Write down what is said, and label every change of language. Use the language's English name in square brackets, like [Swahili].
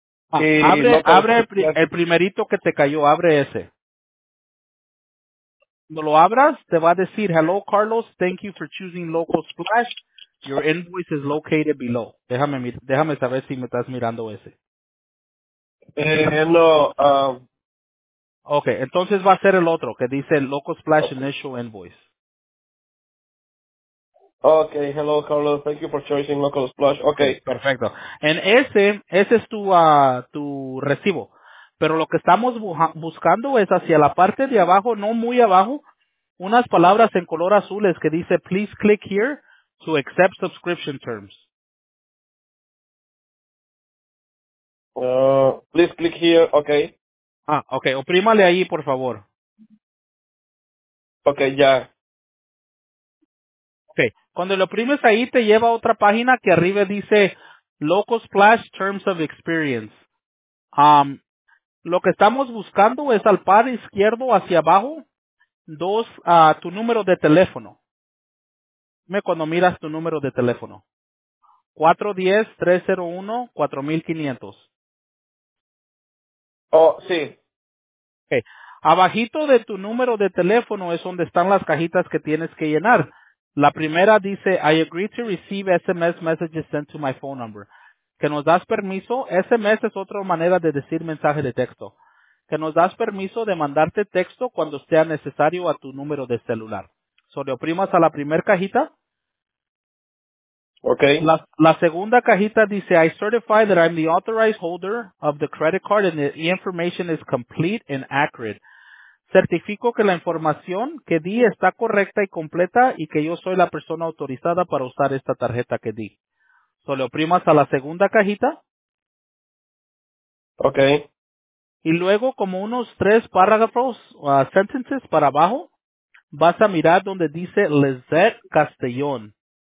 [Spanish] Abre el primerito que te cayó. Abre ese. Cuando lo abras, te va a decir, hello, Carlos. [English] Thank you for choosing Local Splash. Your invoice is located below. [Spanish] Déjame saber si me estás mirando ese. No. Okay, entonces va a ser el otro que dice Local Splash Initial Invoice. [English] Okay, hello Carlos, thank you for choosing Local Splash. Okay, [Spanish] perfecto. En ese es tu recibo. Pero lo que estamos buscando es hacia la parte de abajo, no muy abajo, unas palabras en color azules que dice [English] please click here to accept subscription terms. Please click here, okay. [Spanish] Ah, okay, oprímale ahí, por favor. Okay, ya. Okay, cuando lo oprimes ahí te lleva a otra página que arriba dice Local Splash Terms of Experience. Lo que estamos buscando es al par izquierdo hacia abajo, tu número de teléfono. Dime cuando miras tu número de teléfono. 410-301-4500. Oh, sí. Okay. Abajito de tu número de teléfono es donde están las cajitas que tienes que llenar. La primera dice, [English] I agree to receive SMS messages sent to my phone number. [Spanish] Que nos das permiso. SMS es otra manera de decir mensaje de texto. Que nos das permiso de mandarte texto cuando sea necesario a tu número de celular. So, le oprimas a la primera cajita. Okay. La segunda cajita dice, [English] I certify that I'm the authorized holder of the credit card and the information is complete and accurate. [Spanish] Certifico que la información que di está correcta y completa y que yo soy la persona autorizada para usar esta tarjeta que di. So, le oprimas a la segunda cajita. Okay. Y luego, como unos tres párrafos, sentences para abajo, vas a mirar donde dice Lizette Castellón.